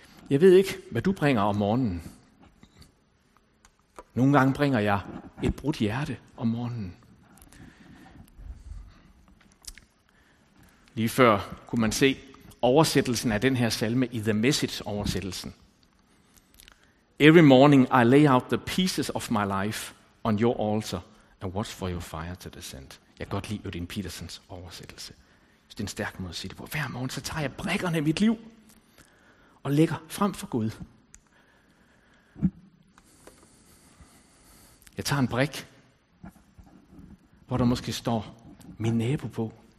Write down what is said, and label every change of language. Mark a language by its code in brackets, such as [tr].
[da] Jeg ved ikke, hvad du bringer om morgenen. Nogle gange bringer jeg et brudt hjerte om morgenen. Lige før kunne man se oversættelsen af den her salme i The Message-oversættelsen. [en] Every morning I lay out the pieces of my life on your altar and watch for your fire to descend. [da] Jeg kan godt lide Odin Petersens oversættelse. Så det er en stærk måde at sige det på. Hver morgen så tager jeg brikkerne i mit liv og lægger frem for Gud. Jeg tager en brik, hvor der måske står min nabo på.